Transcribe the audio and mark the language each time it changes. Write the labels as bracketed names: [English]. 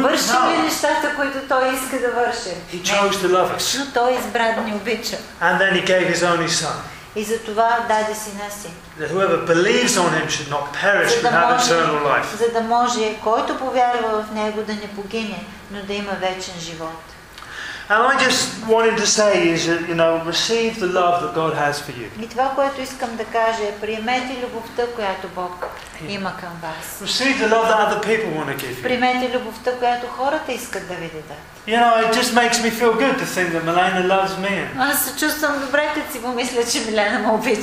[Bulgarian] Вършим ли нещата, които той иска да вършим? [English] He chose to love us. [Bulgarian] Но той избра да ни обича. [English] And then he gave his only son. [Bulgarian] И затова даде сина си. [English] That whoever believes on him should not perish but have eternal life. [Bulgarian] За да може който повярва в него да не погине, но да има вечен живот. [English] And I just wanted to say is that, you know, receive the love that God has for you. [Bulgarian] И това, което искам да кажа, е приемете любовта, която Бог има към вас. [English] Receive the love that other people want to give you. [Bulgarian] Приемете любовта, която хората искат да ви дадат. [English] You know, it just makes me feel good to think that Milena loves me. [Bulgarian] Аз се чувствам добре, като си помисля, че Милена ме обича.